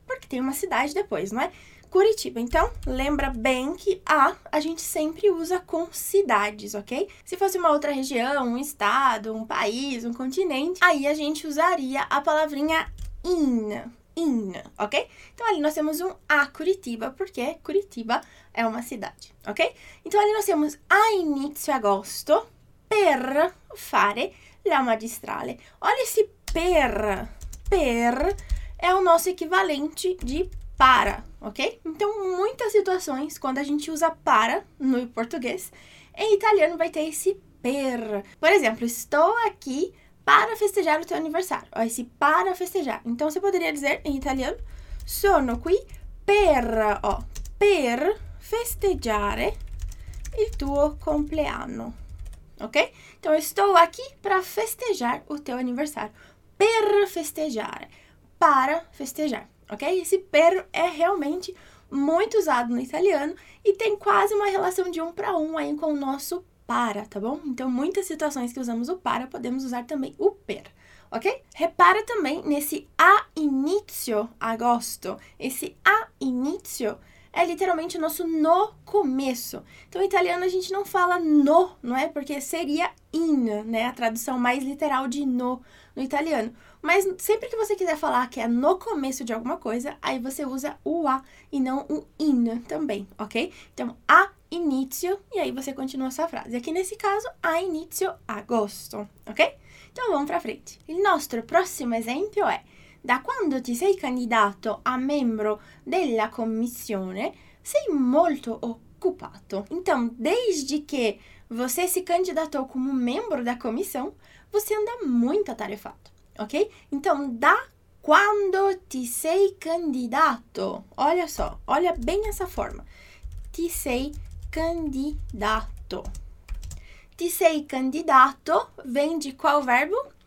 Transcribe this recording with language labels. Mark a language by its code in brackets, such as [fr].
[pt] Porque tem uma cidade depois, não é? Curitiba. Então, lembra bem que a gente sempre usa com cidades, ok? Se fosse uma outra região, um estado, um país, um continente, aí a gente usaria a palavrinha in. Ok? Então ali nós temos um a Curitiba, porque Curitiba é uma cidade, ok? Então ali nós temos [it] a inizio agosto per fare la magistrale. [pt] Olha esse per é o nosso equivalente de para, ok? Então muitas situações quando a gente usa para no português, em italiano vai ter esse per. Por exemplo, estou aqui para festejar o teu aniversário. Ó, esse para festejar. Então, você poderia dizer em italiano: [it] sono qui per, [pt] ó, [it] per festeggiare il tuo compleanno. Ok? [pt] Então, estou aqui para festejar o teu aniversário. Per festejar. Para festejar. Ok? Esse per é realmente muito usado no italiano e tem quase uma relação de um para um aí com o nosso para, tá bom? Então, muitas situações que usamos o para, podemos usar também o per. Ok? Repara também nesse [it] a inizio agosto. [pt] Esse a inizio é literalmente o nosso no começo. Então, em italiano a gente não fala no, não é? Porque seria in, né? A tradução mais literal de no no italiano. Mas sempre que você quiser falar que é no começo de alguma coisa, aí você usa o a e não o in também, ok? Então, [it] a inizio [pt] e aí você continua sua frase. Aqui nesse caso, [it] a inizio agosto, [pt] ok? Então, vamos pra frente. [it] Il nostro prossimo esempio è: da quando ti sei candidato a membro della commissione, sei molto occupato. [pt] Então, desde que você se candidatou como membro da comissão, você anda muito atarefado, ok? Então, [it] da quando ti sei candidato, [pt] olha só, olha bem essa forma. [it] Ti sei candidato. Ti sei candidato [pt] vem de qual verbo?